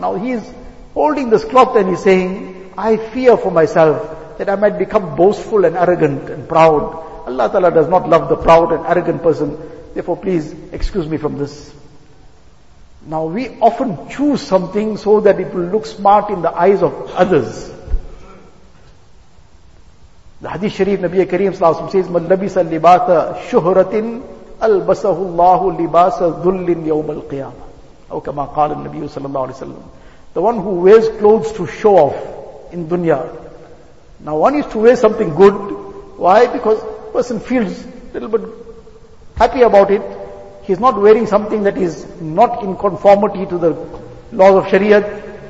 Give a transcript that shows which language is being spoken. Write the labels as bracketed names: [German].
[English] Now he is holding this cloth and he's saying, I fear for myself that I might become boastful and arrogant and proud. Allah Ta'ala does not love the proud and arrogant person. Therefore, please excuse me from this. Now we often choose something so that it will look smart in the eyes of others. The Hadith Sharif, Nabiya Kareem sallallahu alayhi wa sallam says, [Arabic] مَنْ لَبِسَ اللِّبَاثَ شُهْرَةٍ أَلْبَسَهُ اللَّهُ لِبَاسَ ذُلٍّ يَوْمَ الْقِيَامَةِ أو كَمَا قَالَ النَّبِيُّ صَلَى اللَّهُ عَلَيْهِ وَسَلَّمْ. [English] The one who wears clothes to show off in dunya. Now one is to wear something good. Why? Because person feels a little bit happy about it. He's not wearing something that is not in conformity to the laws of Shariat.